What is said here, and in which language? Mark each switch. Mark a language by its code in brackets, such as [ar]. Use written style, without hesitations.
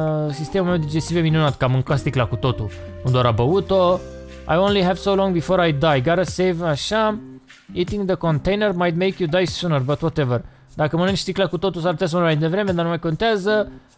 [ro] Sistemul meu digestiv e minunat, că am mâncat sticla cu totul. Nu doar a băut-o. [en] I only have so long before I die. Gotta save, [ro] așa. [en] Eating the container might make you die sooner, but whatever. [ro] Dacă mănânci sticla cu totul, s-ar putea să mă mai devreme, dar nu mai contează.